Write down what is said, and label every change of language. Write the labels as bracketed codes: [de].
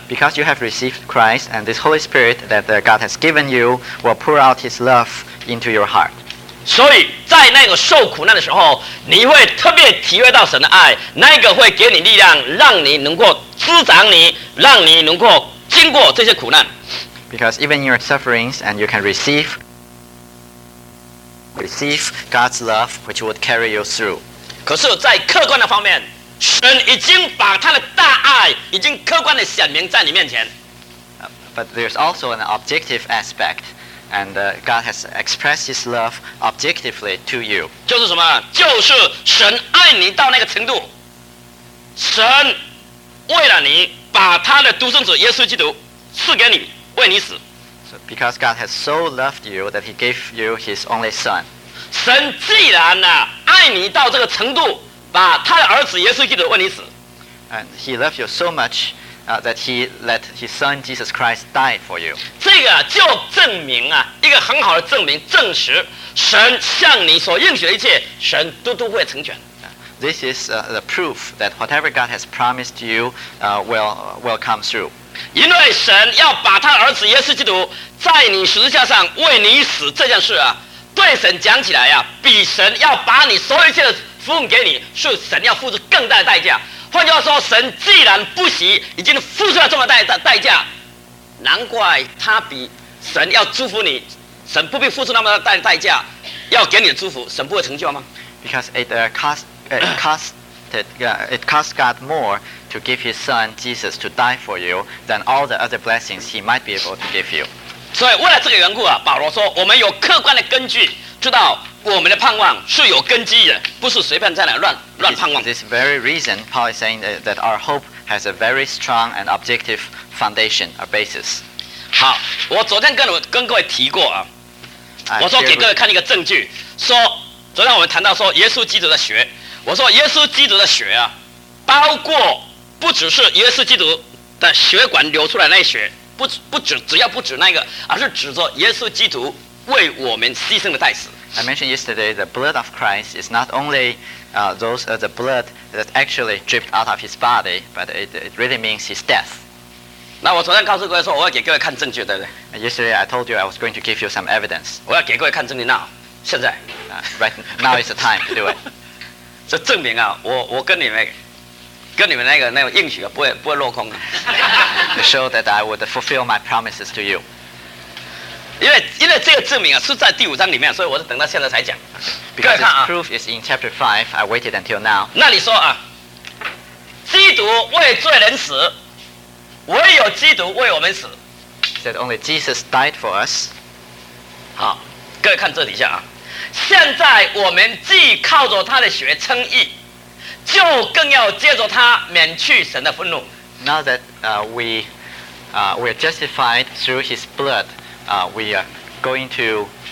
[en] Because you have received Christ and this Holy Spirit that God has given you will pour out His love into your heart. [zh] 所以在那个受苦难的时候，你会特别体会到神的爱，那个会给你力量，让你能够滋长你，让你能够经过这些苦难。 [en] Because even in your sufferings, and you can receive God's love, which would carry you through. [zh] 可是，在客观的方面，神已经把他的大爱已经客观地显明在你面前。 [en] But there's also an objective aspect, and God has expressed His love objectively to you. [zh] 就是什么？就是神爱你到那个程度，神为了你把他的独生子耶稣基督赐给你，为你死。 [en] So because God has so loved you that He gave you His only Son. [zh] 神既然呢爱你到这个程度，把他的儿子耶稣基督为你死。 [en] And He loved you so much. That he let his son Jesus Christ die for you. [zh] 这个就证明啊，一个很好的证明，证实神向你所应许的一切，神都会成全。 [en] This is the proof that whatever God has promised you, will come through. [zh] 因为神要把他儿子耶稣基督在你十字架上为你死这件事啊，对神讲起来呀、啊，比神要把你所有一切的奉给你，是神要付出更大的代价。换句话说，神既然不惜已经付出了这么大的代价，难怪他比神要祝福你，神不必付出那么大的代价，要给你的祝福，神不会成就吗 [en] ？Because it cost God more to give His Son Jesus to die for you than all the other blessings He might be able to give you. [zh] 所以为了这个缘故啊，保罗说，我们有客观的根据，知道。我们的盼望是有根基的，不是随便在那乱盼望。 [en] This very reason, Paul is saying that our hope has a very strong and objective foundation, a basis. [zh] 好，我昨天跟各位提过啊，我说给各位看一个证据，说昨天我们谈到说耶稣基督的血，我说耶稣基督的血啊，包括不只是耶稣基督的血管流出来那血，不止那个，而是指着耶稣基督为我们牺牲的代死。 [en] I mentioned yesterday the blood of Christ is not only the blood that actually dripped out of his body, but it really means his death. [zh] 那我昨天告诉各位说，我要给各位看证据，对不对 [en] ？Yesterday I told you I was going to give you some evidence. [zh] 我要给各位看证据 [en] now， [zh] 现在。 [en] Right now is the time to do it. [zh] 这证明啊，我跟你们那个应许不会落空的。 [en] To show that I would fulfill my promises to you. [zh] 因为这个证明啊是在第五章里面，所以我是等到现在才讲。 [en] Okay. Because the proof is in chapter 5, I waited until now. [zh] 那你说啊，基督为罪人死，唯有基督为我们死。 [en] Said only Jesus died for us. [zh] 好，各位看这底下啊，现在我们既靠着他的血称义，就更要借着他免去神的愤怒。 [en] Now that we are justified through his blood. We are going to.